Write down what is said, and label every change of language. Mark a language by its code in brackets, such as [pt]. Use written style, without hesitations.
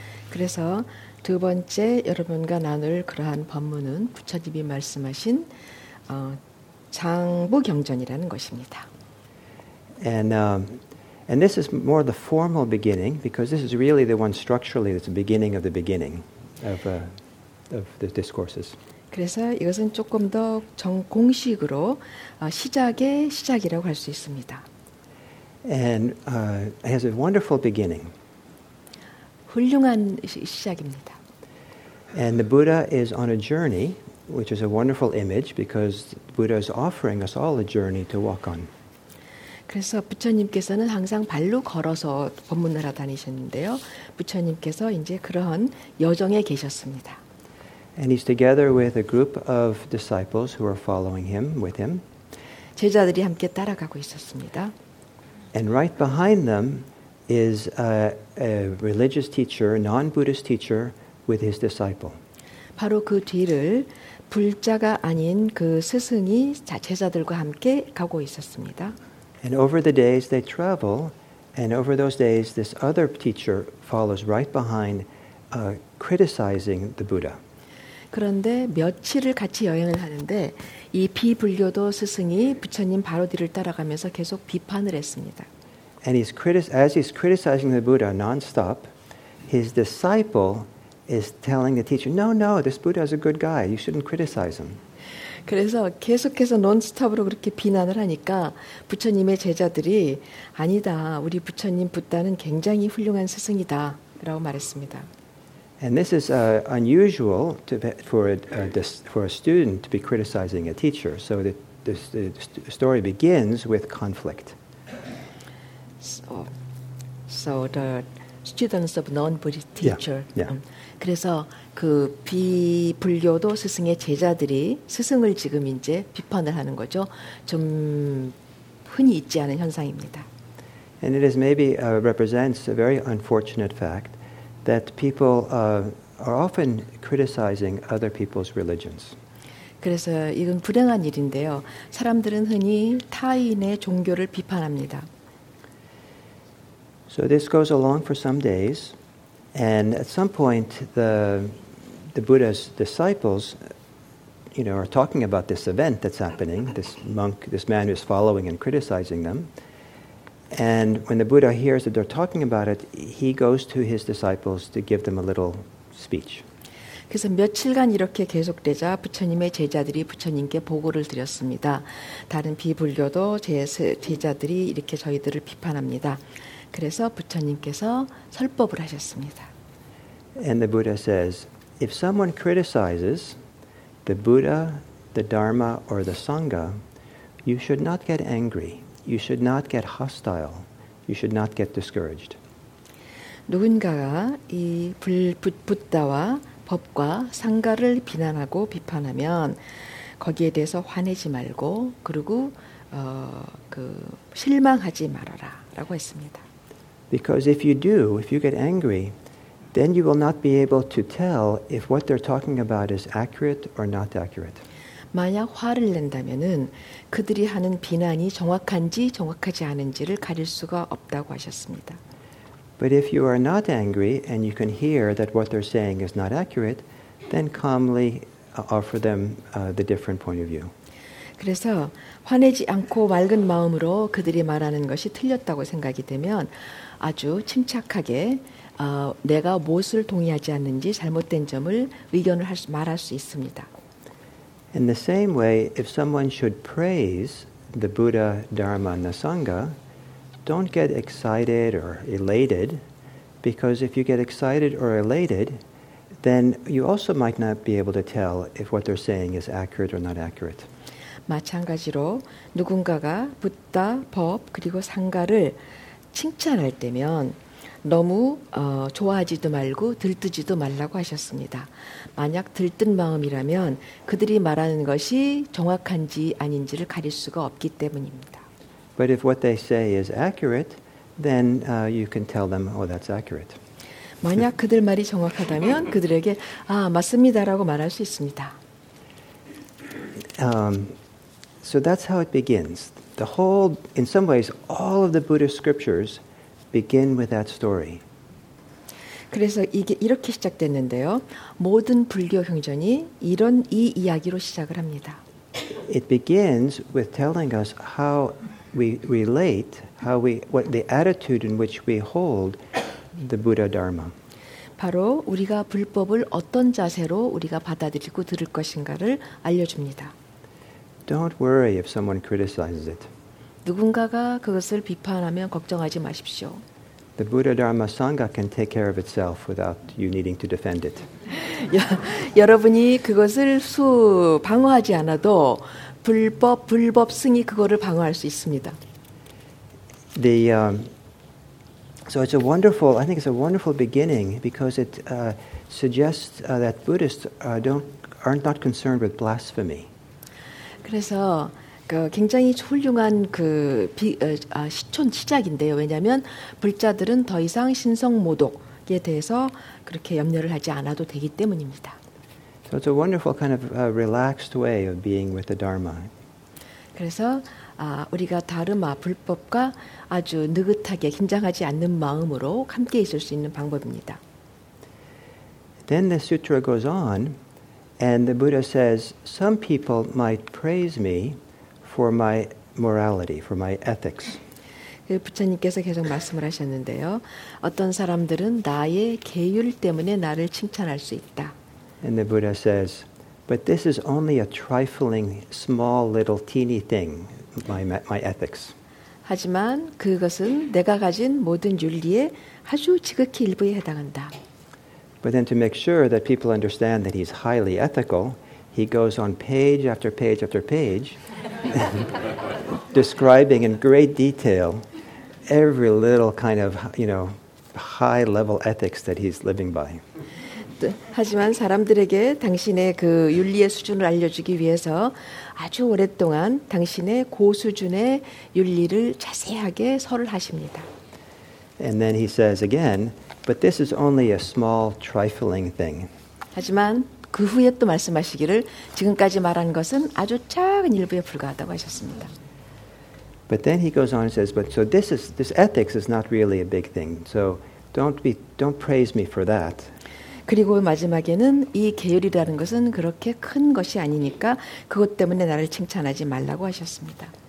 [ko] 그래서 두 번째 여러분과 나눌 그러한 법문은 부처님이 말씀하신 장부경전이라는 것입니다. [en] And this is more the formal beginning because this is really the one structurally that's the beginning of the beginning of the discourses. [ko] 그래서 이것은 조금 더 공식으로 시작의 시작이라고 할 수 있습니다. [en] And it has a wonderful beginning. [ko] 훌륭한 시작입니다. [en] And the Buddha is on a journey, which is a wonderful image because Buddha is offering us all a journey to walk on. [ko] 그래서 부처님께서는 항상 발로 걸어서 법문하러 다니셨는데요. 부처님께서 이제 그러한 여정에 계셨습니다. [en] And he's together with a group of disciples who are following him with him. [ko] 제자들이 함께 따라가고 있었습니다. [en] And right behind them is a religious teacher, non-Buddhist teacher with his disciple. [ko] 바로 그 뒤를 불자가 아닌 그 스승이 제자들과 함께 가고 있었습니다. [en] And over the days they travel, and over those days this other teacher follows right behind, criticizing the Buddha. [ko] 그런데 며칠을 같이 여행을 하는데 이 비불교도 스승이 부처님 바로 뒤를 따라가면서 계속 비판을 했습니다. [en] And as he's criticizing the Buddha nonstop, his disciple is telling the teacher, "No, no, this Buddha is a good guy. You shouldn't criticize him." [ko] 그래서 계속해서 논스톱으로 그렇게 비난을 하니까 부처님의 제자들이 아니다, 우리 부처님 부다는 굉장히 훌륭한 스승이다 라고 말했습니다. [en] And this is unusual for a student to be criticizing a teacher. So the story begins with conflict. So the students of non-Buddhist teacher. Yeah, yeah. [ko] 그래서 그 비불교도 스승의 제자들이 스승을 지금 이제 비판을 하는 거죠. 좀 흔히 있지 않은 현상입니다. [en] And it is maybe represents a very unfortunate fact that people are often criticizing other people's religions. [ko] 그래서 이건 불행한 일인데요. 사람들은 흔히 타인의 종교를 비판합니다. [en] So this goes along for some days. And at some point, the Buddha's disciples, you know, are talking about this event that's happening. This man who's following and criticizing them. And when the Buddha hears that they're talking about it, he goes to his disciples to give them a little speech. [ko] 그래서 며칠간 이렇게 계속되자 부처님의 제자들이 부처님께 보고를 드렸습니다. 다른 비불교도 제자들이 이렇게 저희들을 비판합니다. 그래서 부처님께서 설법을 하셨습니다. [en] And the Buddha says, if someone criticizes the Buddha, the Dharma, or the Sangha, you should not get angry. You should not get hostile. You should not get discouraged. [ko] 누군가가 이 부다와 법과 상가를 비난하고 비판하면 거기에 대해서 화내지 말고 그리고 그 실망하지 말아라라고 했습니다. [en] Because if you do, if you get angry, then you will not be able to tell if what they're talking about is accurate or not accurate. [ko] 만약 화를 낸다면은 그들이 하는 비난이 정확한지 정확하지 않은지를 가릴 수가 없다고 하셨습니다. [en] But if you are not angry and you can hear that what they're saying is not accurate, then calmly offer them the different point of view. [ko] 그래서 화내지 않고 맑은 마음으로 그들이 말하는 것이 틀렸다고 생각이 되면 아주 침착하게 내가 무엇을 동의하지 않는지 잘못된 점을 의견을 말할 수 있습니다. [en] In the same way, if someone should praise the Buddha, Dharma, and the Sangha, don't get excited or elated, because if you get excited or elated, then you also might not be able to tell if what they're saying is accurate or not accurate. [ko] 마찬가지로 누군가가 부다, 법, 그리고 상가를 칭찬할 때면 너무 좋아하지도 말고 들뜨지도 말라고 하셨습니다. 만약 들뜬 마음이라면 그들이 말하는 것이 정확한지 아닌지를 가릴 수가 없기 때문입니다. [en] But if what they say is accurate, then you can tell them, oh, that's accurate. [ko] 만약 그들 말이 정확하다면 그들에게 아, 맞습니다라고 말할 수 있습니다. [en] So that's how it begins. The whole, in some ways, all of the Buddhist scriptures begin with that story. [ko] 그래서 이게 이렇게 시작됐는데요. 모든 불교 경전이 이런 이 이야기로 시작을 합니다. [en] It begins with telling us how we relate, how we, what the attitude in which we hold the Buddha Dharma. [ko] 바로 우리가 불법을 어떤 자세로 우리가 받아들이고 들을 것인가를 알려줍니다. [en] Don't worry if someone criticizes it. [ko] 누군가가 그것을 비판하면 걱정하지 마십시오. [en] The Buddha Dharma Sangha can take care of itself without you needing to defend it. [ko] 여러분이 그것을 방어하지 않아도 불법 승이 그거를 방어할 수 있습니다. [en] The so it's a wonderful, I think it's a wonderful beginning because it suggests that Buddhists aren't concerned with blasphemy. [ko] 그래서 그 굉장히 훌륭한 그 시촌 시작인데요. 왜냐하면 불자들은 더 이상 신성 모독에 대해서 그렇게 염려를 하지 않아도 되기 때문입니다. [en] So it's a wonderful kind of relaxed way of being with the Dharma. [ko] 그래서 우리가 다르마 불법과 아주 느긋하게 긴장하지 않는 마음으로 함께 있을 수 있는 방법입니다. [en] Then the sutra goes on, and the Buddha says, some people might praise me for my morality, for my ethics. [ko] 부처님께서 계속 말씀을 하셨는데요. 어떤 사람들은 나의 계율 때문에 나를 칭찬할 수 있다. [en] And the Buddha says, but this is only a trifling, small, little, teeny thing, my ethics. [ko] 하지만 그것은 내가 가진 모든 윤리의 아주 지극히 일부에 해당한다. [en] But then to make sure that people understand that he's highly ethical, he goes on page after page after page, describing in great detail every little kind of, you know, high-level ethics that he's living by. [ko] 하지만 사람들에게 당신의 그 윤리의 수준을 알려주기 위해서 아주 오랫동안 당신의 고수준의 윤리를 자세하게 설을 하십니다. [en] And then he says again, but this is only a small trifling thing. [ko] 하지만 그 후에 또 말씀하시기를 지금까지 말한 것은 아주 작은 일부에 불과하다고 하셨습니다. [en] But then he goes on and says, but so this ethics is not really a big thing. So don't praise me for that. [ko] 그리고 마지막에는 이 계율이라는 것은 그렇게 큰 것이 아니니까 그것 때문에 나를 칭찬하지 말라고 하셨습니다.